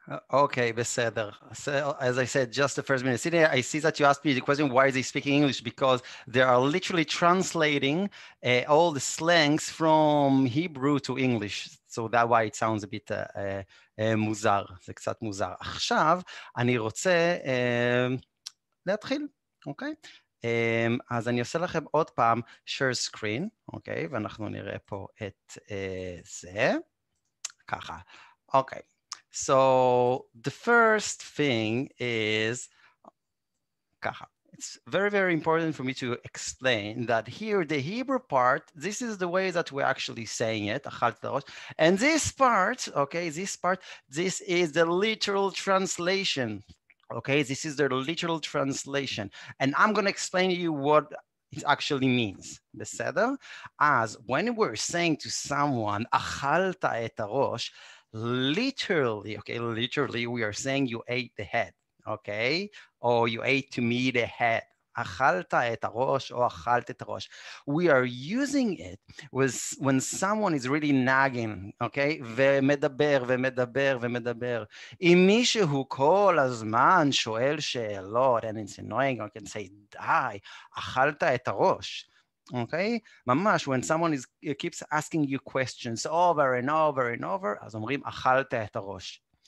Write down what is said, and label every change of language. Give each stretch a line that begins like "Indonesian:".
English: Okay, beseder. So, as I said, just the first minute. See, I see that you asked me the question, why is he speaking English? Because they are literally translating all the slangs from Hebrew to English. So that's why it sounds a bit muzar.
Hebrew: זה קצת מוזר. עכשיו, אני רוצה להתחיל, אוקיי? אז אני אעשה לכם עוד פעם share screen, אוקיי? ואנחנו נראה פה את זה. ככה. אוקיי.
English: So the first thing is kaha. It's very, very important for me to explain that here the Hebrew part, this is the way that we're actually saying it, and this part, okay, this is the literal translation. Okay, this is the literal translation. And I'm gonna explain to you what it actually means. Beseder? As when we're saying to someone,
Hebrew: achalta et arosh,
English: literally, okay, literally, we are saying you ate the head, okay? Or you ate to me the head.
Hebrew: Achalta et arosh
English: or
Hebrew: achalt et arosh.
English: We are using it when someone is really nagging, okay?
Hebrew: ומדבר ומדבר ומדבר. אם מישהו כל הזמן שואל שאלות,
English: and it's annoying, I can say,
Hebrew: די, אכלת את הראש.
English: Okay, mamash, when someone is keeps asking you questions over and over and over,
Hebrew: אז אומרים אכלת את הראש.